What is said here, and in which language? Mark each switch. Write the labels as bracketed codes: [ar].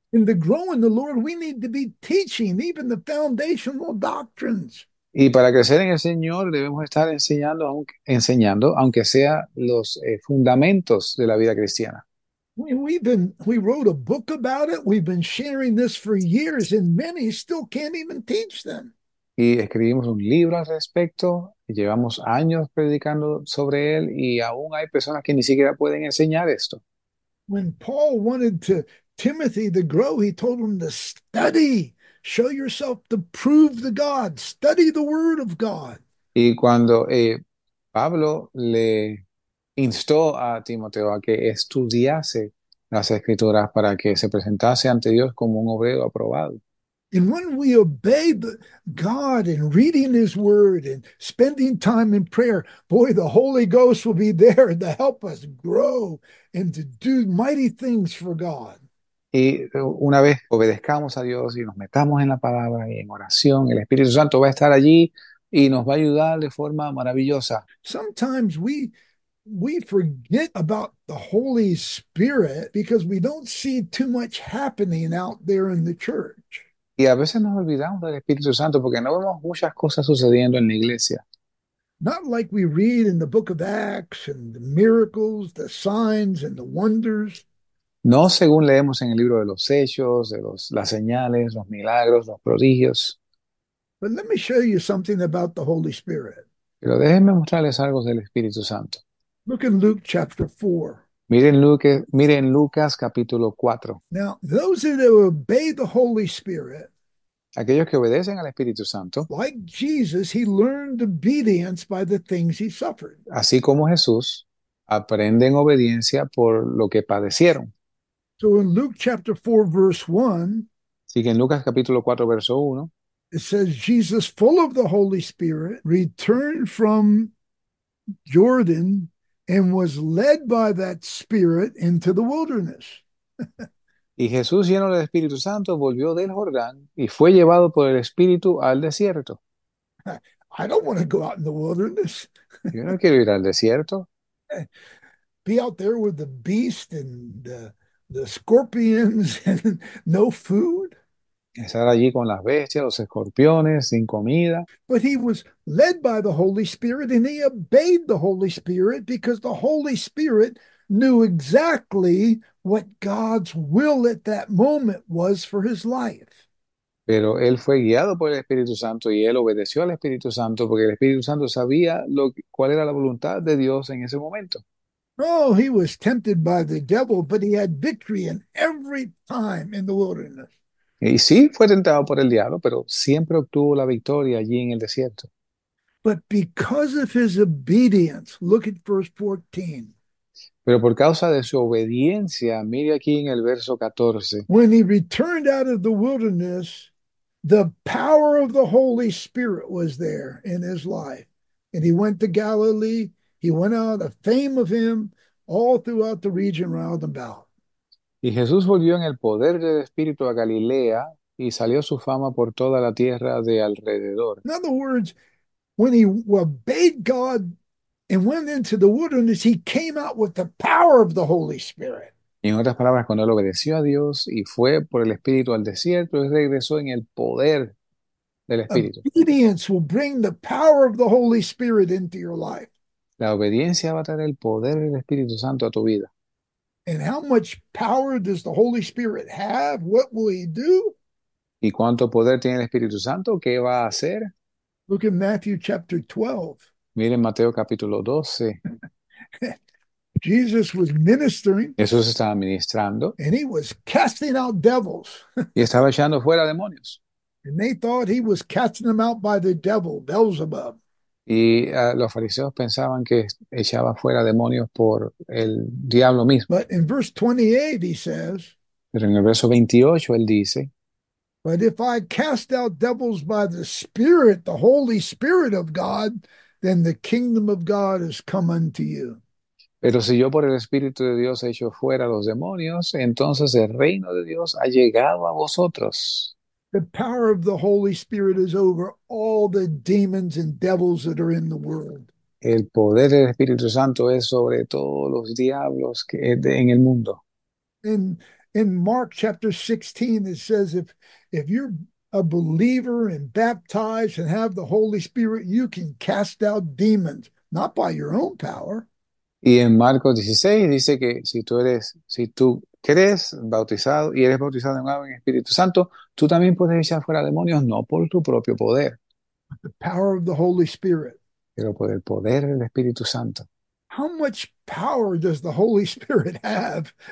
[en] In the growing the Lord, we need to be teaching even the foundational doctrines. [es] Y para crecer en el Señor debemos estar enseñando, aunque sea los fundamentos de la vida cristiana. [en] We wrote a book about it. We've been sharing this for years, and many still can't even teach them. [es] Y escribimos un libro al respecto, llevamos años predicando sobre él y aún hay personas que ni siquiera pueden enseñar esto. [en] When Paul wanted to Timothy to grow, he told him to study, show yourself to prove the God, study the word of God. [es] Y cuando Pablo le instó a Timoteo a que estudiase las escrituras para que se presentase ante Dios como un obrero aprobado. [en] And when we obey God and reading His Word and spending time in prayer, boy, the Holy Ghost will be there to help us grow and to do mighty things for God. [es] Y una vez obedezcamos a Dios y nos metamos en la palabra y en oración, el Espíritu Santo va a estar allí y nos va a ayudar de forma maravillosa. [en] Sometimes we forget about the Holy Spirit because we don't see too much happening out there in the church. [es] Y a veces nos olvidamos del Espíritu Santo porque no vemos muchas cosas sucediendo en la iglesia. [en] Not like we read in the book of Acts and the miracles, the signs and the wonders. [es] No según leemos en el libro de los hechos, de las señales, los milagros, los prodigios. [en] But let me show you something about the Holy Spirit. [es] Pero déjenme mostrarles algo del Espíritu Santo. [en] Look in Luke chapter 4. [es] Miren Lucas capítulo 4. [en] Now, those who obey the Holy Spirit, [es] Aquellos que obedecen al Espíritu Santo, [en] like Jesus, he learned obedience by the things he suffered. [es] así como Jesús, aprenden obediencia por lo que padecieron. [en] So in Luke chapter 4, verse 1, [es] Así que en Lucas capítulo 4, verso 1. [en] it says, Jesus, full of the Holy Spirit, returned from Jordan and was led by that Spirit into the wilderness. [es] Y Jesús, lleno del Espíritu Santo, volvió del Jordán y fue llevado por el Espíritu al desierto. [en] I don't want to go out in the wilderness. [es] Yo no quiero ir al desierto. [en] Be out there with the beast and the scorpions and no food. [es] Estar allí con las bestias, los escorpiones, sin comida. [en] But he was led by the Holy Spirit and he obeyed the Holy Spirit because the Holy Spirit knew exactly what God's will at that moment was for his life. [es] Pero él fue guiado por el Espíritu Santo y él obedeció al Espíritu Santo porque el Espíritu Santo sabía cuál era la voluntad de Dios en ese momento. [en] Oh, he was tempted by the devil, but he had victory in every time in the wilderness. [es] Y sí, fue tentado por el diablo, pero siempre obtuvo la victoria allí en el desierto. [en] But because of his obedience, look at verse 14. [es] Pero por causa de su obediencia, mire aquí en el verso 14. [en] When he returned out of the wilderness, the power of the Holy Spirit was there in his life, and he went to Galilee. He went out a fame of him all throughout the region round about. [es] Y Jesús volvió en el poder del Espíritu a Galilea y salió su fama por toda la tierra de alrededor. [en] In other words, when he obeyed God and went into the wilderness, he came out with the power of the Holy Spirit. [es] Y en otras palabras, cuando él obedeció a Dios y fue por el Espíritu al desierto, él regresó en el poder del Espíritu. [en] Obedience will bring the power of the Holy Spirit into your life. [es] La obediencia va a traer el poder del Espíritu Santo a tu vida. [en] And how much power does the Holy Spirit have? What will he do? [es] ¿Y cuánto poder tiene el Espíritu Santo? ¿Qué va a hacer? [en] Look at Matthew chapter 12. [es] Miren Mateo capítulo 12. [en] Jesus was ministering [es] Jesús estaba ministrando [en] and he was casting out devils. [es] y estaba echando fuera demonios. [en] And they thought he was casting them out by the devil, Beelzebub. [es] Y los fariseos pensaban que echaba fuera demonios por el diablo mismo. [en] But in verse 28, he says, [es] Pero en el verso 28 él dice: [en] But if I cast out devils by the Spirit, the Holy Spirit of God, then the kingdom of God has come unto you. [es] Pero si yo por el Espíritu de Dios echo fuera a los demonios, entonces el reino de Dios ha llegado a vosotros. [en] The power of the Holy Spirit is over all the demons and devils that are in the world. [es] El poder del Espíritu Santo es sobre todos los diablos que en el mundo. [en] In Mark chapter 16, it says, if you're a believer and baptized and have the Holy Spirit, you can cast out demons, not by your own power. [es] Y en Marcos 16 dice que si tú crees bautizado y eres bautizado en agua y en Espíritu Santo, tú también puedes echar fuera demonios, no por tu propio poder, [en] But the power of the Holy Spirit. [es] pero por el poder del Espíritu Santo. [en] How much power does the Holy Spirit have?